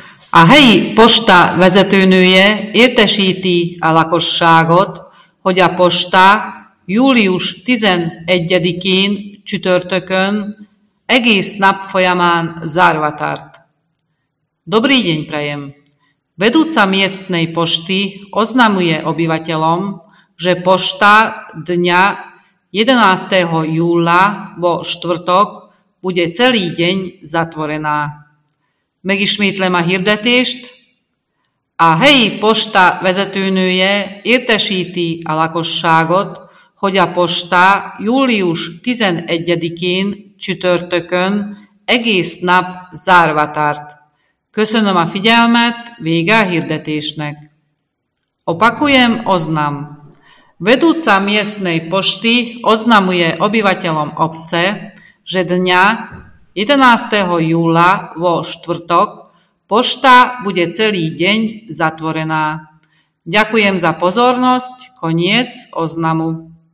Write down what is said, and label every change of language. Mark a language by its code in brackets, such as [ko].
[hu] A helyi posta vezetőnője értesíti a lakosságot, hogy a posta július 11-én csütörtökön egész nap folyamán zárva tart. [sk] Dobrý deň prajem. Vedúca miestnej pošty oznamuje obyvateľom, že pošta dňa 11. júla vo štvrtok bude celý deň zatvorená. [hu] Megismétlem a hirdetést. A helyi posta vezetőnője értesíti a lakosságot, hogy a posta július 11-én csütörtökön egész nap zárva tart. Köszönöm a figyelmet, vége a hirdetésnek. [sk] Opakujem oznam. Vedúca miestnej pošty oznamuje obyvateľom obce, že dňa 11. júla vo štvrtok pošta bude celý deň zatvorená. Ďakujem za pozornosť. Koniec oznamu.